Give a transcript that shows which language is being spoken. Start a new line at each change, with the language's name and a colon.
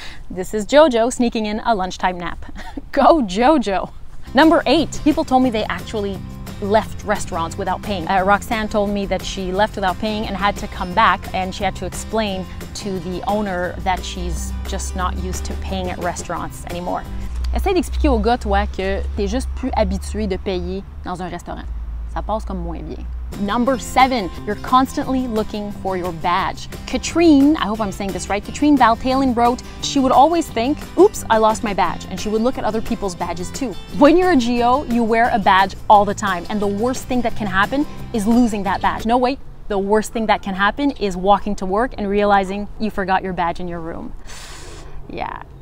English: This is Jojo sneaking in a lunchtime nap. Go Jojo. Number 8, people told me they actually left restaurants without paying. Roxanne told me that she left without paying and had to come back, and she had to explain to the owner that she's just not used to paying at restaurants anymore.
French: Essaye d'expliquer au gars, toi, que t'es juste plus habitué de payer dans un restaurant. Ça passe comme moins bien.
English: Number 7, you're constantly looking for your badge. Katrine, I hope I'm saying this right, Katrine Valtalen wrote, she would always think, oops, I lost my badge. And she would look at other people's badges too. When you're a GO, you wear a badge all the time. And the worst thing that can happen is losing that badge. No, wait, the worst thing that can happen is walking to work and realizing you forgot your badge in your room. Yeah.